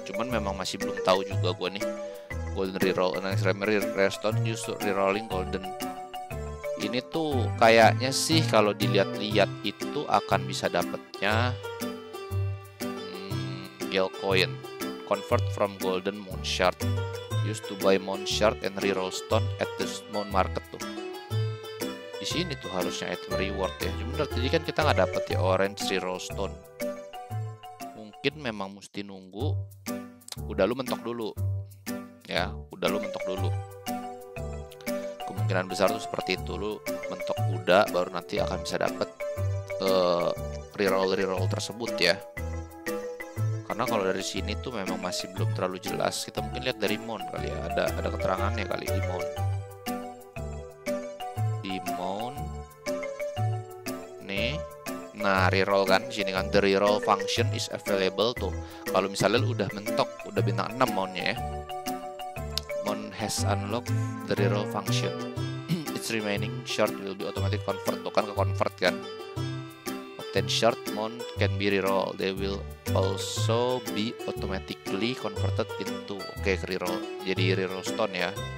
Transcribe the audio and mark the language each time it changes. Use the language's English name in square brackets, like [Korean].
[Indonesian] Cuman memang masih belum tahu juga gua nih. [English] Golden reroll, next remedy, restore, use rerolling golden. [Indonesian] Ini tuh kayaknya sih kalau dilihat-lihat itu akan bisa dapetnya gel coin. [English] Convert from golden moon shard. Used to buy moon shard and reroll stone at the moon market [Indonesian] tuh. Di sini tuh harusnya item reward ya. Cuma tadi kan kita nggak dapet ya orange reroll stone. Mungkin memang mesti nunggu. Udah lu mentok dulu. Ya, udah lu mentok dulu. Kemungkinan besar tuh seperti itu, lu mentok kuda baru nanti akan bisa dapet reroll tersebut ya. Karena kalau dari sini tuh memang masih belum terlalu jelas. Kita mungkin lihat dari mount kali ya. Ada keterangannya kali di mount. Di mount. Nih. Nah, reroll kan di sini kan [English] the reroll function is available [Indonesian] tuh. Kalau misalnya lu udah mentok, udah bintang 6 mountnya ya. [English] Mount has unlocked the reroll function. Its remaining shard will be automatic convert. [Indonesian] Tuh kan ke convert kan. [English] Obtain shard mount can be reroll. They will also be automatically converted into reroll, [Indonesian] jadi reroll stone ya.